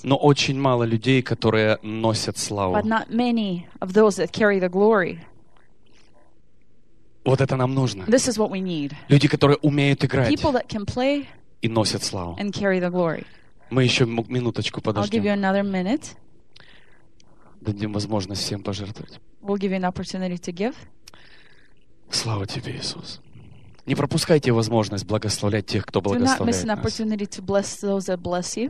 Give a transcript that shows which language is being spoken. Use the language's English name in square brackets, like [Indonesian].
[Russian] Но очень мало людей, которые носят славу. [English] But not many of those that carry the glory. [Russian] Вот это нам нужно. [English] This is what we need. [Russian] Люди, которые умеют играть. [English] People that can play [Russian] и носят славу. [English] And carry the glory. [Russian] Мы еще минуточку подождем. [English] I'll give you another minute. [Russian] Дадим возможность всем пожертвовать. [English] We'll give you an opportunity to give. [Russian] Слава тебе, Иисус. Не пропускайте возможность благословлять тех, кто благословляет нас. [English] Do not miss an opportunity to bless those that bless you.